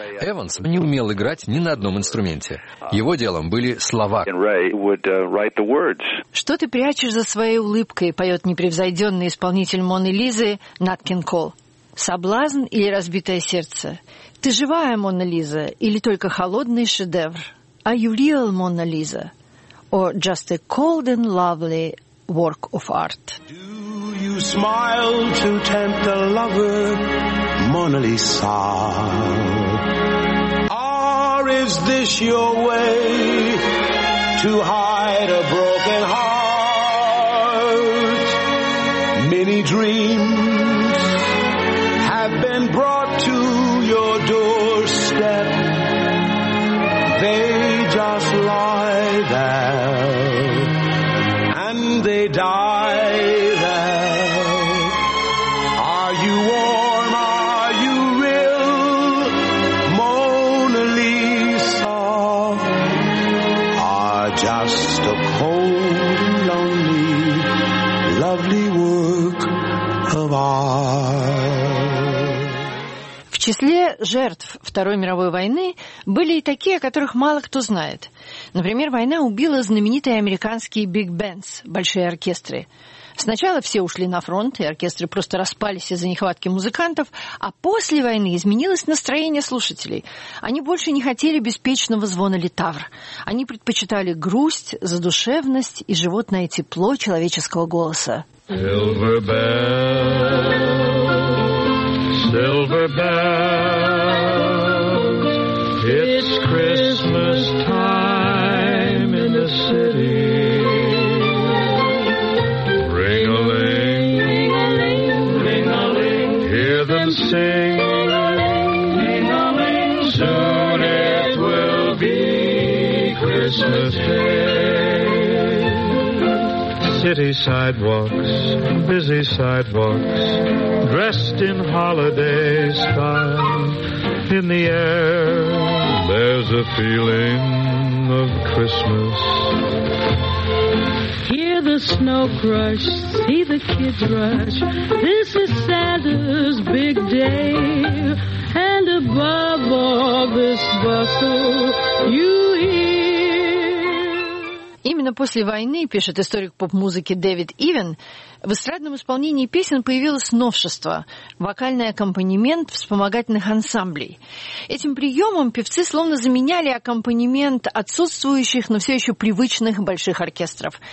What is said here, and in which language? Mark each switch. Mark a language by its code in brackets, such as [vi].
[ru] Эванс не умел играть ни на одном инструменте. Его делом были слова. «Что ты прячешь за своей улыбкой?» — поет непревзойденный исполнитель «Моны Лизы» Нат Кинг Кол. «Соблазн или разбитое сердце? Ты живая, Мона Лиза, или только холодный шедевр?» [en] Are you real, Mona Lisa, or just a cold and lovely work of art? Do you smile to tempt a lover, Mona Lisa? Or is this your way to hide a broken heart? Many dreams have been brought to your doorstep. Just lie there, and they die there. Are you warm? Are you real? Mona Lisa, are just a cold and lonely, lovely work of art. [ru] В числе жертв Второй мировой войны были и такие, о которых мало кто знает. Например, война убила знаменитые американские big bands, большие оркестры. Сначала все ушли на фронт, и оркестры просто распались из-за нехватки музыкантов, а после войны изменилось настроение слушателей. Они больше не хотели беспечного звона литавр. Они предпочитали грусть, задушевность и животное тепло человеческого голоса. [en] Silver bells, silver bells. It's Christmas time in the city. Ring-a-ling, ring-a-ling, hear them sing. Ring-a-ling, ring-a-ling, soon it will be Christmas Day. City sidewalks, busy sidewalks, dressed in holiday style. In the air there's a feeling of Christmas. Hear the snow crush, see the kids rush. This is Santa's big day. And above all this bustle, you hear. [ru] Именно после войны, пишет историк поп-музыки Дэвид Ивен, в эстрадном исполнении песен появилось новшество – вокальный аккомпанемент вспомогательных ансамблей. Этим приемом певцы словно заменяли аккомпанемент отсутствующих, но все еще привычных больших оркестров.